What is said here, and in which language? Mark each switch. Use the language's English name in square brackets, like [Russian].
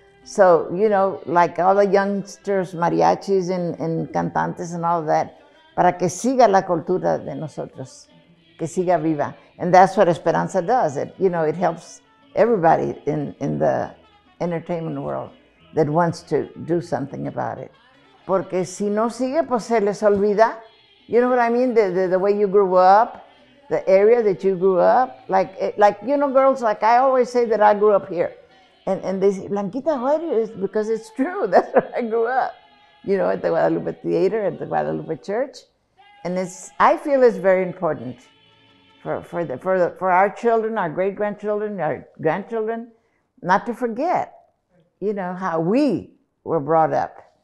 [English] So, you know, like all the youngsters, mariachis and cantantes and all that, [Spanish] para que siga la cultura de nosotros, que siga viva. [English] And that's what Esperanza does. It, you know, it helps everybody in the entertainment world that wants to do something about it. [Spanish] Porque si no sigue, pues se les olvida. [English] You know what I mean? The way you grew up, the area that you grew up. Like you know, girls, like I always say that I grew up here. And they say, Blanquita, why do you? It's because it's true. That's where I grew up. You know, at the Guadalupe Theater, at the Guadalupe Church. And it's, I feel it's very important for our children, our great-grandchildren, our grandchildren, not to forget, you know, how we were brought up.